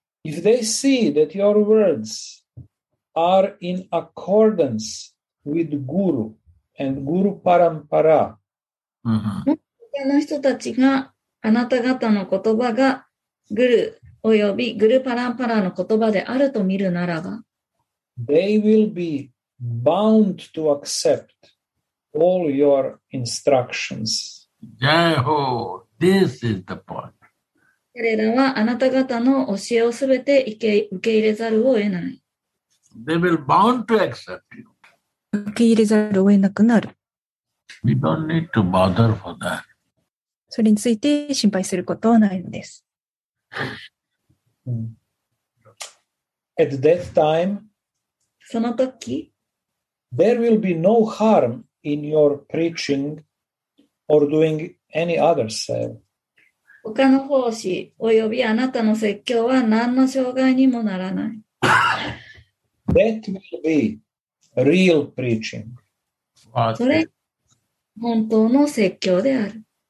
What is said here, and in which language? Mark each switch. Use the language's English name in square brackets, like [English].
[English] If they see that your words are in accordance with Guru and Guru Parampara, [Japanese] あの人たちがあなた方の言葉がグルおよびグルパランパラの言葉であると見るならば、 [English] they will be bound to accept all your instructions. Jai ho! This is the point. [Japanese] 彼らはあなた方の教えをすべて受け入れざるを得ない。 [English] They will bound to accept you. [Japanese] 受け入れざるを得なくなる。 [English] We don't need to bother for that. [Japanese] それについて心配することはないのです。 [English] At that time, [Japanese] その時、 [English] there will be no harm in your preaching or doing any other sale. [Japanese] 他の奉仕及びあなたの説教は何の障害にもならない。 [English] That will be real preaching. [Japanese] それ本当の説教である。